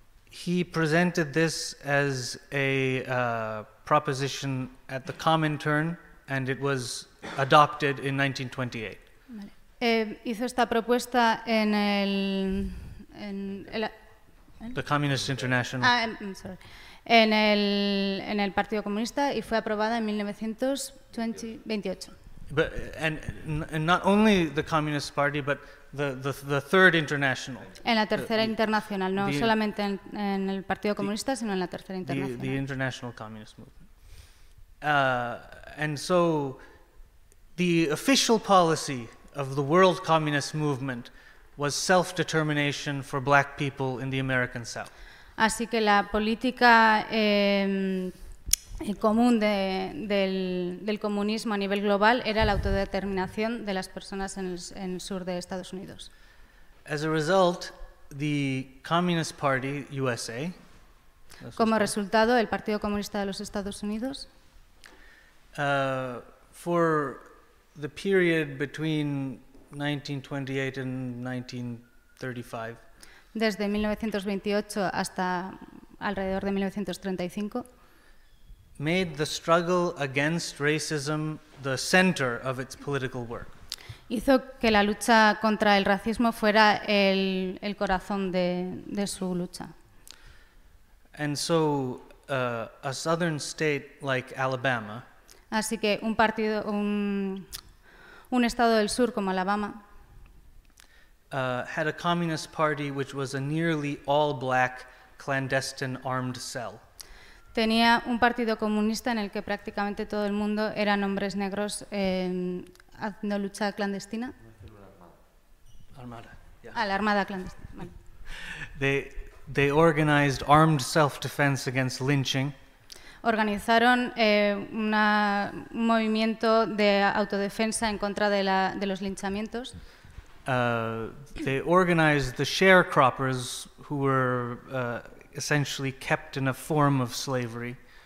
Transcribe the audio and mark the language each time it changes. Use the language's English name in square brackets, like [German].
[English] He presented this as a proposition at the Comintern, and it was adopted in 1928. [Spanish] Vale. Hizo esta propuesta en el [English] The Communist International. [Spanish] En el Partido Comunista y fue aprobada en 1928. [English] But and not only the Communist Party, but the Third International. [Spanish] En la tercera internacional, no solamente en el Partido Comunista, sino en la tercera internacional. [English] The International Communist Movement. And so, the official policy of the World Communist Movement was self-determination for black people in the American South. [Spanish] Así que la política el común del comunismo a nivel global era la autodeterminación de las personas en el sur de Estados Unidos. [English] As a result, the Communist Party USA. [Spanish] Como resultado, el Partido Comunista de los Estados Unidos. [English] For the period between 1928 and 1935. [Spanish] Desde 1928 hasta alrededor de 1935. [English] Made the struggle against racism the center of its political work. [Spanish] Hizo que la lucha contra el racismo fuera el corazón de su lucha. [English] And so, a southern state like Alabama. [Spanish] Así que un partido, un estado del sur como Alabama, [English] Had a communist party which was a nearly all black clandestine armed cell. [Spanish] Tenía un partido comunista en el que prácticamente todo el mundo eran hombres negros haciendo lucha clandestina. La armada clandestina. [English] They organized armed self-defense against lynching. [Spanish] Organizaron un movimiento de autodefensa en contra de los linchamientos. [English] They organized the sharecroppers who were essentially kept in a form of slavery.